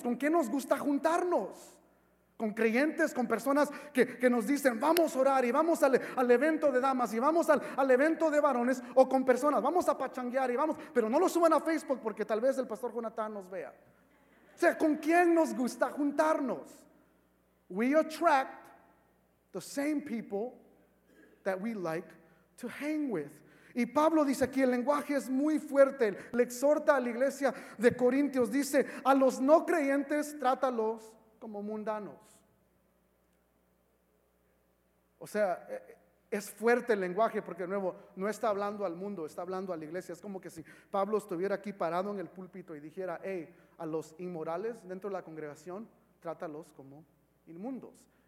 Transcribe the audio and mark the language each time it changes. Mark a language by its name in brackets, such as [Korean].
[Spanish] ¿Con quién nos gusta juntarnos? Con creyentes, con personas que nos dicen vamos a orar y vamos al evento de damas y vamos al evento de varones, o con personas vamos a pachanguear y vamos, pero no lo suban a Facebook porque tal vez el pastor Jonathan nos vea. O sea, ¿con quién nos gusta juntarnos? [English] We attract the same people that we like to hang with. [Spanish] Y Pablo dice aquí, el lenguaje es muy fuerte, le exhorta a la iglesia de Corintios, dice a los no creyentes trátalos como mundanos. O sea, es fuerte el lenguaje porque de nuevo no está hablando al mundo, está hablando a la iglesia. Es como que si Pablo estuviera aquí parado en el púlpito y dijera, hey, a los inmorales dentro de la congregación, trátalos como inmundos.